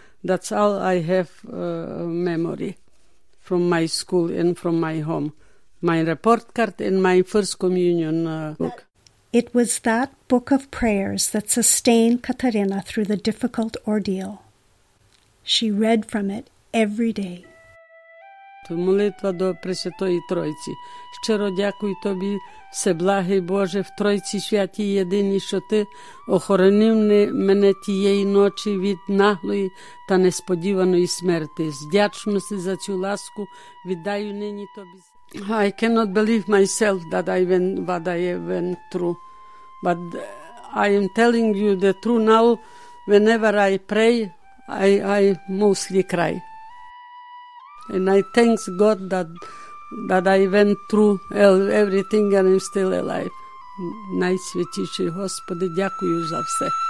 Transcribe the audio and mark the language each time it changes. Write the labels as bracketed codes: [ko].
[en] That's all I have memory from my school and from my home. My report card and my First Communion book. It was that book of prayers that sustained Katarina through the difficult ordeal. She read from it every day. [uk] Молитва до Пресвятої Тройці. Щиро дякую тобі, всеблагий Боже, в Тройці Святій єдині, що ти охоронив мене тієї ночі від наглої та несподіваної смерти. З вдячності за цю ласку віддаю нині тобі. [en] I cannot believe myself that I went, what I went through. But I am telling you the truth now. Whenever I pray, I mostly cry. And I thank God that I went through everything and I'm still alive. [uk] Найсвятіший Господи, дякую за все.